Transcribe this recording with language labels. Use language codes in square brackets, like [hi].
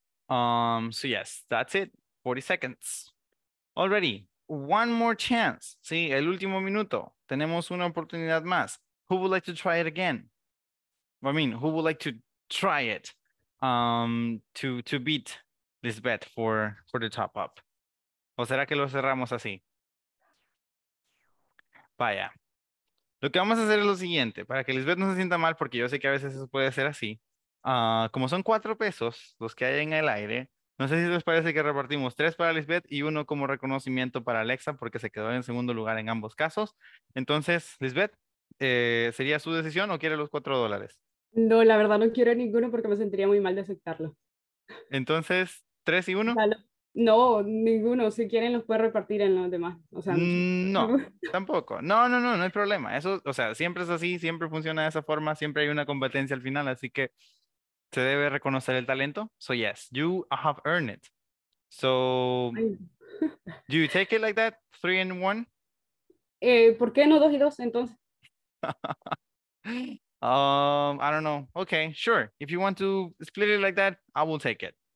[en] So yes, that's it. 40 seconds. Already, one more chance. [es] Sí, el último minuto. Tenemos una oportunidad más. [en] Who would like to try it again? I mean, who would like to try it to beat Lisbeth for the top up? [es] ¿O será que lo cerramos así? Vaya. Lo que vamos a hacer es lo siguiente, para que Lisbeth no se sienta mal, porque yo sé que a veces eso puede ser así. Como son 4 pesos los que hay en el aire, no sé si les parece que repartimos 3 para Lisbeth y 1 como reconocimiento para Alexa, porque se quedó en segundo lugar en ambos casos. Entonces, Lisbeth, ¿sería su decisión o quiere los $4? No, la verdad no quiero ninguno porque me sentiría muy mal de aceptarlo. Entonces, ¿3 y 1? No, ninguno. Si quieren, los puede repartir en los demás. O sea, no, tampoco. No hay problema. Eso, o sea, siempre es así, siempre funciona de esa forma, siempre hay una competencia al final, así que se debe reconocer el talento. [en] So, yes, you have earned it. So, do you take it like that, 3 and 1? [es] ¿Por qué no 2 y 2, entonces? [en] I don't know. Okay, sure. If you want to split it like that, I will take it.